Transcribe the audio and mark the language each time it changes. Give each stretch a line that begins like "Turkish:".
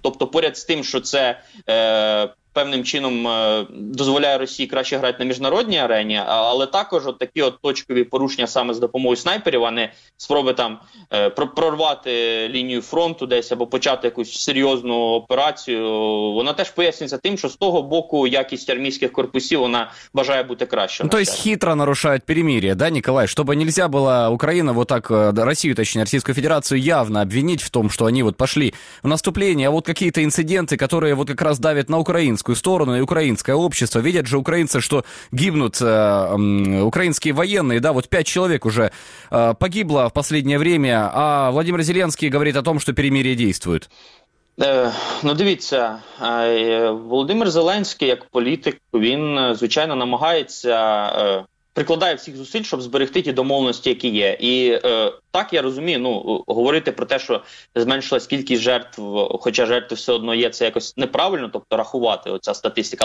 Ukrainian: Тобто поряд з тим, що це певним чином дозволяє Росії краще грати на міжнародній арені, але також от такі от точкові порушення саме з допомогою снайперів, а не спроби там прорвати лінію фронту десь або почати якусь серйозну операцію, вона теж пояснюється тим, що з того боку якість армійських корпусів вона бажає бути краще. Ну, тобто хитро нарушають перемир'я, да, Николай? Щоб
Russian: нельзя було Україна вот так, Росію, точнее,
Ukrainian: Російську Федерацію
Russian: явно обвинить в том, что они вот пошли в наступление, а вот какие-то инциденты, которые вот как раз давят на Украину, сторону и украинское общество. Видят же украинцы, что гибнут украинские военные. Да, вот 5 человек уже погибло в последнее время, а Владимир Зеленский говорит о том, что перемирие действует.
Ukrainian: Ну, дивіться, Володимир Зеленський, як політик, він, звичайно, намагається, прикладає всіх зусиль, щоб зберегти ті домовленості, які є. І так я розумію, ну, говорити про те, що зменшилась кількість жертв, хоча жертви все одно є, це якось неправильно, тобто рахувати оця статистика.